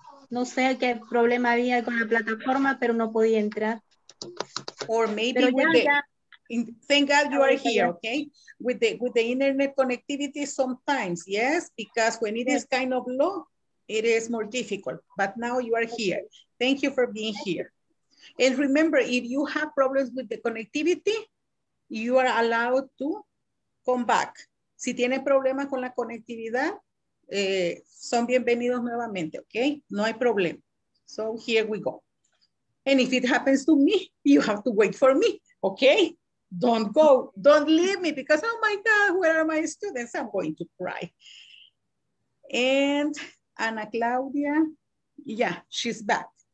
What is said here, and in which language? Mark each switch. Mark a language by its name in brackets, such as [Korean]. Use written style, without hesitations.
[Spanish] No sé qué problema había con la plataforma, pero no podía entrar. [English] Or maybe thank God you are here, okay? With the internet connectivity sometimes, yes? Because when it is kind of low, it is more difficult. But now you are here. Thank you for being here. And remember, if you have problems with the connectivity, you are allowed to come back. [Spanish] Si tiene problemas con la conectividad, son bienvenidos nuevamente, okay? No hay problema. [English] So here we go. And if it happens to me, you have to wait for me, okay? Don't go, don't leave me because, oh my God, where are my students? I'm going to cry. And Ana Claudia, yeah, she's back.